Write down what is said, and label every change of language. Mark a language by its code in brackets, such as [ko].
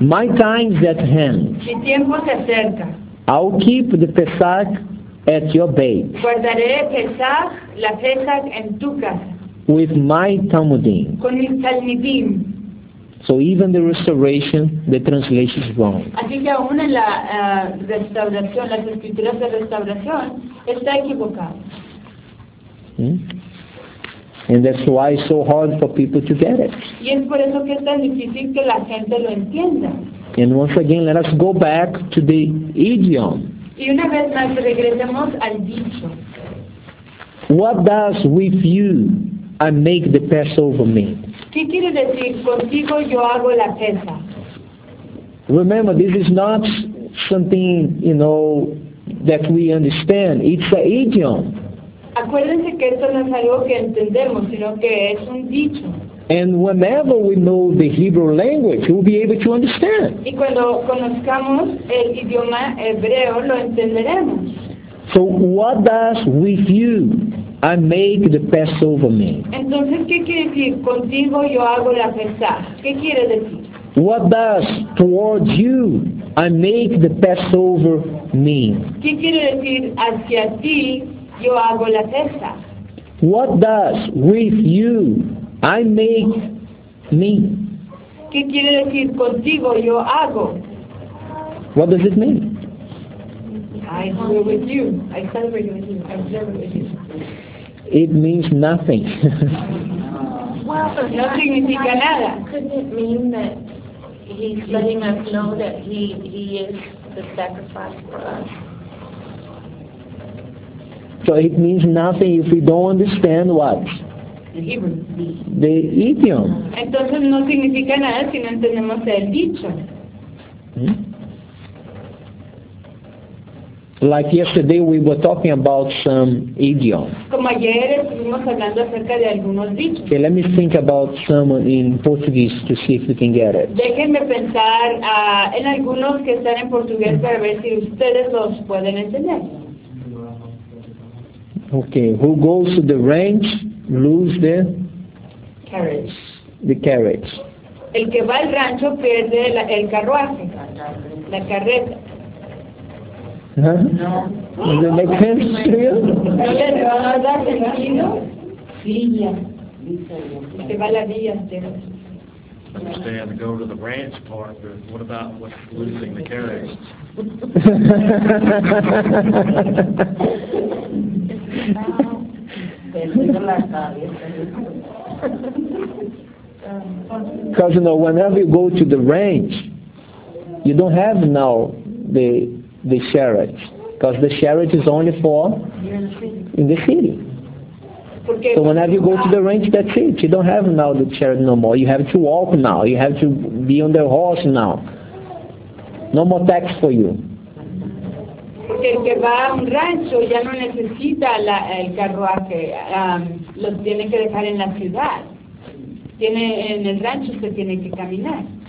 [en] My time is at hand. [es] Mi tiempo se acerca. [en] I'll keep the Pesach at your base. [es] Guardaré la Pesach en tu casa. [en] With my Talmudim. [es] Con mis Talmudim. [en] So even the restoration, the translation is wrong. [es] Así que aún en la restauración, las escrituras de restauración, está equivocado. [en] And that's why it's so hard for people to get it. [es] Y es por eso que es tan difícil que la gente lo entienda. [en] And once again, let us go back to the idiom. [es] Y una vez más regresemos al dicho. [en] What does with you I make the Passover mean? [es] ¿Qué quiere decir? Contigo yo hago la cena. [en] Remember, this is not something, you know, that we understand. It's an idiom. [es] Acuérdense que esto no es algo que entendemos, sino que es un dicho. [en] And whenever we know the Hebrew language, we'll be able to understand. [es] Y cuando conozcamos el idioma hebreo, lo entenderemos. [en] So what does with you? I make the Passover meal. [es] Entonces, ¿qué quiere decir? Contigo yo hago la cena. ¿Qué quiere decir? [en] What does towards you I make the Passover mean? [es] ¿Qué quiere decir hacia ti yo hago la cena? [en] What does with you I make mean? [es] ¿Qué quiere decir contigo yo hago? [en] What does it mean? I hunger with you. I celebrate with you. I observe with you. It means nothing. Well, but [es] no significa nada. [en] Could it mean that he's letting us know that he is the sacrifice for us? So it means nothing if we don't understand what? The Hebrew. The idiom. [es] Entonces no significa nada si no entendemos el dicho. [en] Like yesterday, we were talking about some idioms. [es] Como ayer estuvimos hablando acerca de algunos dichos. [en] Okay, let me think about some in Portuguese to see if we can get it. [es] Déjenme pensar en algunos que están en portugués para ver si ustedes los pueden entender. [en] Okay, who goes to the ranch lose the carriage. The carriage. [es] El que va al rancho pierde el carruaje, la carreta. Huh? No. [en] Does it make sense to you? [es] No le va a dar sentido. Villa. Que va la villa. [en] I understand go to the ranch part, but what about what's losing the carriage? Because, you know, whenever you go to the ranch, you don't have now the chariot, because the chariot is only for in the city. So whenever you go to the ranch, that's it. You don't have now the chariot no more. You have to walk now. You have to be on the horse now. No more tax for you. [es] Porque el que va a un rancho ya no necesita la, el carruaje, lo tiene que dejar en la ciudad. Tiene, en el rancho se tiene que caminar.